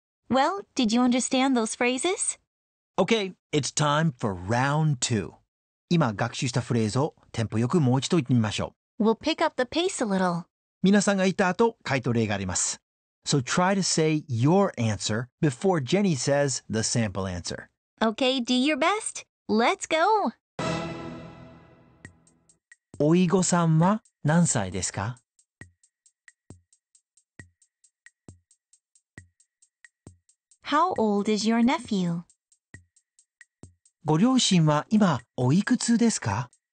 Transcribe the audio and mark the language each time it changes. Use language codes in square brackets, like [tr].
[en] Well, did you understand those phrases? Okay, it's time for round two. [ja] 今学習したフレーズをテンポよくもう一度言ってみましょう。 [en] We'll pick up the pace a little. [ja] 皆さんが言った後、回答例があります。 [en] So try to say your answer before Jenny says the sample answer. Okay, do your best. Let's go! [ja] おいごさんは何歳ですか? [en] 。How old is your nephew? [ja] ご両親は今おいくつですか?